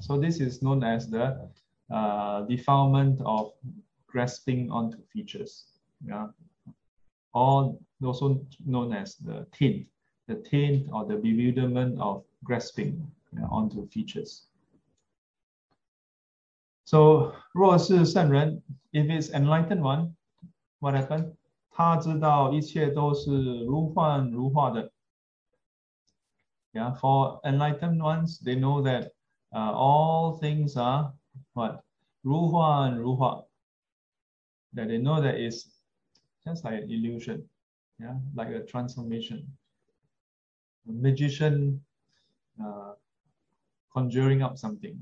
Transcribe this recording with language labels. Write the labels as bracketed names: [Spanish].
[English] So this is known as the defilement of grasping onto features. Yeah. Or also known as the taint. the taint or the bewilderment of grasping, you know, onto features. So [Chinese] 若是圣人, [English] if it's enlightened one, what happened? [Chinese] 他知道一切都是如幻如化的. [English] Yeah, for enlightened ones, they know that all things are what? [Chinese] 如幻如化. [English] That they know that it's just like an illusion. Yeah, like a transformation. A magician conjuring up something.